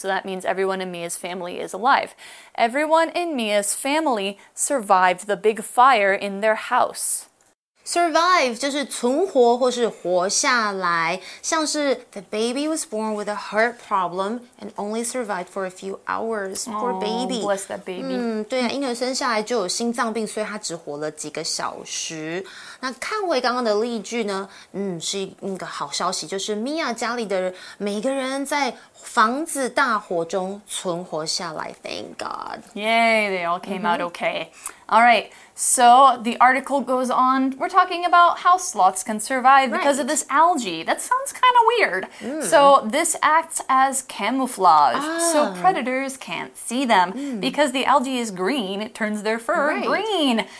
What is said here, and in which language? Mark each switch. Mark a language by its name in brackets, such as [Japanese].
[English] So that means everyone in Mia's family is alive. Everyone in Mia's family survived the big fire in their house. [Chinese] Survive 就是存活或是活下来，像是 [English] The baby was born with a heart problem and only survived for a few hours. Poor baby. Bless that baby. [Chinese] 对啊，婴儿生下来就有心脏病，所以他只活了几个小时。那看回刚刚的例句呢，是一个好消息，就是 Mia 家里的每个人在房子大火中存活下来。 [English] Thank God. Yay, they all came out okay. All right. So, the article goes on, we're talking about how sloths can survive because of this algae. That sounds kind of weird. Mm. So, this acts as camouflage, so predators can't see them. Mm. Because the algae is green, it turns their fur green.